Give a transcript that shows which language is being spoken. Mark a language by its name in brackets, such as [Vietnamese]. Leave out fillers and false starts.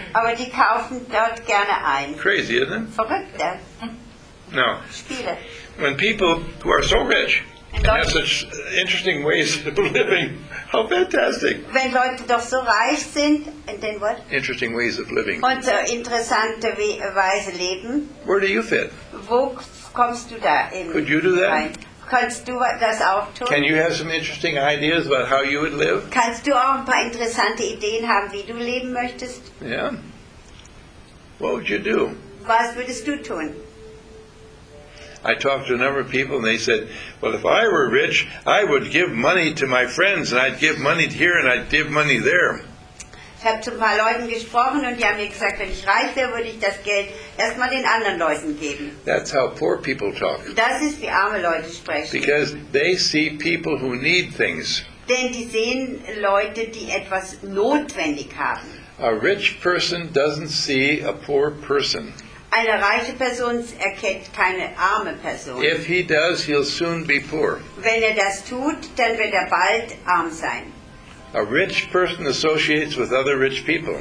[German] Aber die kaufen dort gerne ein. [English] Crazy, isn't it? [German] Verrückte. [English] No. [German] Spiele. [English] When people who are so rich and have such interesting ways of living, how fantastic! [German] Wenn Leute doch so reich sind, [English] and then what? Interesting ways of living. [German] Und so interessante Weise leben. [English] Where do you fit? [German] Wo kommst du da in? [English] Could you do that? [German] Rein? Kannst du das auch tun? [English] Can you have some interesting ideas about how you would live? [German] Kannst du auch ein paar interessante Ideen haben, wie du leben möchtest? [English] Yeah. What would you do? [German] Was würdest du tun? [English] I talked to a number of people and they said, well, if I were rich, I would give money to my friends and I'd give money here and I'd give money there. [German] Ich habe zu ein paar Leuten gesprochen und die haben mir gesagt, wenn ich reich wäre, würde ich das Geld erstmal den anderen Leuten geben. [English] That's how poor people talk. [German] Das ist, wie arme Leute sprechen. [English] Because they see people who need things. [German] Denn die sehen Leute, die etwas notwendig haben. [English] A rich person doesn't see a poor person. [German] Eine reiche Person erkennt keine arme Person. [English] If he does, he'll soon be poor. [German] Wenn er das tut, dann wird er bald arm sein. [English] A rich person associates with other rich people.